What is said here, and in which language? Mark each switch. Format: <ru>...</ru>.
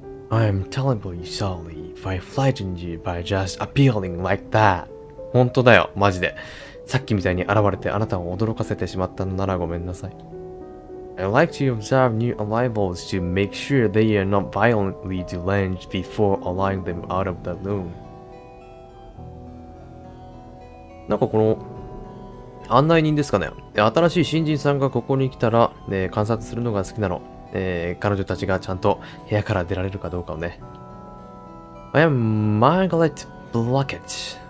<en>I'm terribly sorry if I frightened you by just appearing like that.</en> <ja>本当だよ、マジで。さっきみたいに現れてあなたを驚かせてしまったのならごめんなさい。</ja> <en>I'd like to observe new arrivals to make sure they are not violently deranged before allowing them out of the room.</en> <ja>なんかこの案内人ですかね。新しい新人さんがここに来たら、ね、観察するのが好きなの。彼女たちがちゃんと部屋から出られるかどうかをね。</ja> <en>I am Margaret Blackett.</en>